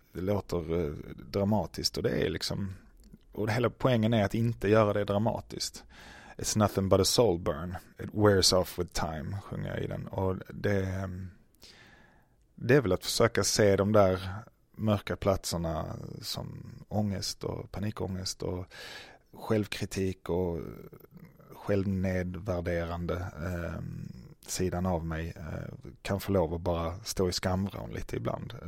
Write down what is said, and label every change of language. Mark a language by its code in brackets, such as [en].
[sv] Det låter dramatiskt, och det är liksom, och hela poängen är att inte göra det dramatiskt. [en] It's nothing but a soul burn, it wears off with time, [sv] sjunger jag i den. Och det är väl att försöka se de där mörka platserna som ångest och panikångest och självkritik och självnedvärderande sidan av mig, kan få lov att bara stå i skamvrån lite ibland.